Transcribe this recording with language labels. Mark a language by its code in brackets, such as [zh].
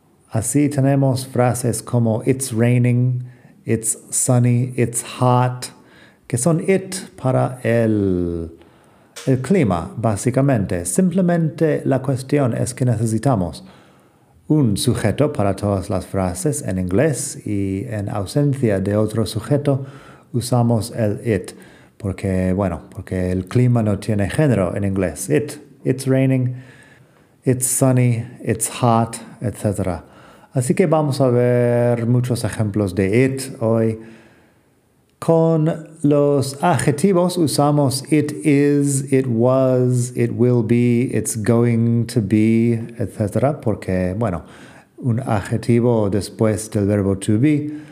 [es] Así tenemos frases como [en] it's raining, it's sunny, it's hot, [es] que son it para el clima, básicamente. Simplemente la cuestión es que necesitamos un sujeto para todas las frases en inglés y en ausencia de otro sujeto usamos el it, porque, bueno, porque el clima no tiene género en inglés. [en] It, it's raining, it's sunny, it's hot, etc. [es] Así que vamos a ver muchos ejemplos de it hoy. Con los adjetivos usamos [en] it is, it was, it will be, it's going to be, etc. [es] Porque, bueno, un adjetivo después del verbo to be.